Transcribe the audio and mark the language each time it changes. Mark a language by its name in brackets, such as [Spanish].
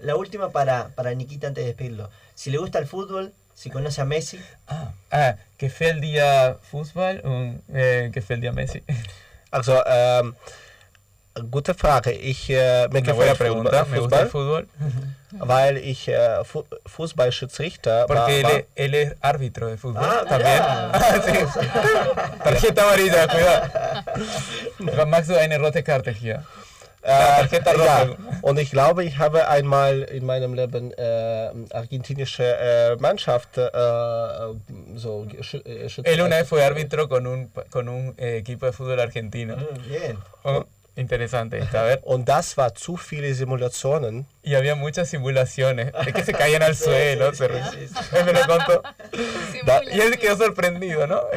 [Spanish] La última para Nikita antes de despedirlo. Si le gusta el fútbol, si conoce a Messi. Que fue el día fútbol, que fue el día Messi. [German] Also, gute Frage. [Spanish] Me voy a preguntar, ¿me gusta el fútbol? [German] Weil ich Fußballschiedsrichter war. [Spanish] Porque él es árbitro de fútbol. Ah, también. Sí. Tarjeta amarilla, cuidado. [German] Max, du eine rote Karte hier. [Spanish] Tarjeta roja. [German] Und ich glaube, ich habe einmal in meinem Leben argentinische Mannschaft so [Spanish] Schiedsrichter. Él una vez fue árbitro con un equipo de fútbol argentino. Bien. Interesante, a ver. [German] Und das war zu viele Simulationen. [Spanish] Y había muchas simulaciones. Es que se caían al suelo. Me lo contó. Y él quedó sorprendido, ¿no?